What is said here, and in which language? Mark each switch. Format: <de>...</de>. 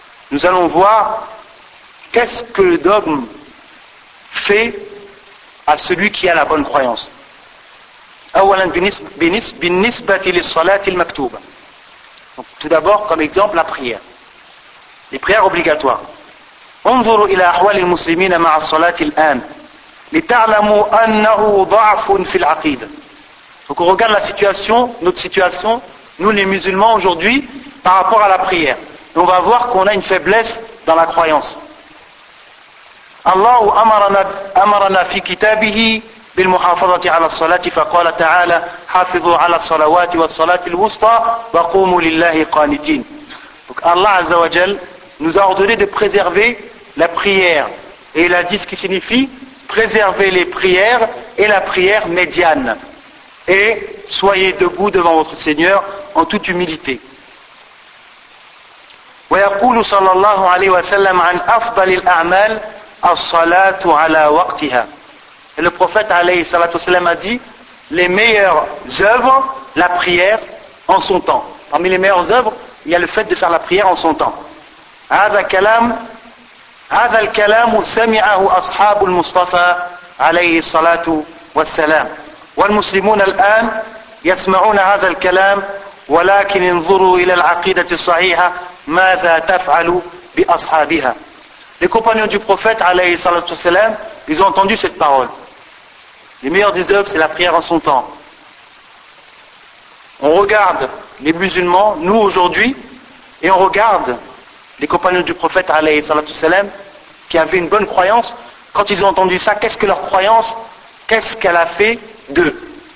<fr>Nous allons voir qu'est-ce que le dogme fait à celui qui a la bonne croyance. Donc, tout d'abord, comme exemple, la prière. Les prières obligatoires.</fr> <ar>انظروا إلى أحوال المسلمين مع الصلاة الآن لتعلموا أنه ضعف في العقيدة.</ar> <fr>Donc on regarde la situation, notre situation, nous les musulmans aujourd'hui, par rapport à la prière. Et on va voir qu'on a une faiblesse dans la croyance.</fr> <ar>الله أمرنا في كتابه بالمحافظة على الصلاة فقال تعالى حافظوا على الصلوات والصلاة الوسطى وقوموا لله قانتين.</ar> <fr>Donc Allah</fr> <ar>عز وجل</ar> <fr>nous a ordonné de préserver la prière. Et il a dit ce qui signifie préserver les prières et la prière médiane. Et soyez debout devant votre Seigneur en toute humilité.</fr> <ar>وَيَقُولُ صَلَى اللَّهُ عَلَيْهِ وَسَلَّمْ عَنْ أَفْضَلِ الْأَعْمَالِ الصَّلَاةُ عَلَى وَقْتِهَا.</ar> <fr>Et le prophète</fr> <ar>عليه الصلاة والسلام</ar> <fr>a dit les meilleures œuvres, la prière en son temps. Parmi les meilleures œuvres, il y a le fait de faire la prière en son temps.</fr> <ar>هذا كلام هذا الكلام سمعه أصحاب المصطفى عليه الصلاة والسلام والمسلمون الآن يسمعون هذا الكلام ولكن انظروا إلى العقيدة الصحيحة ماذا تفعل بأصحابها.</ar> <fr>Les compagnons du prophète</fr> <ar>عليه الصلاة والسلام,</ar> <fr>ils ont entendu cette parole. Les meilleures des œuvres, c'est la prière en son temps. On regarde les musulmans, nous aujourd'hui, et on regarde les compagnons du prophète,</fr> <ar>alayhi salatu salam,</ar> <fr>qui avaient une bonne croyance, quand ils ont entendu ça, qu'est-ce que leur croyance, qu'est-ce qu'elle a fait d'eux?</fr>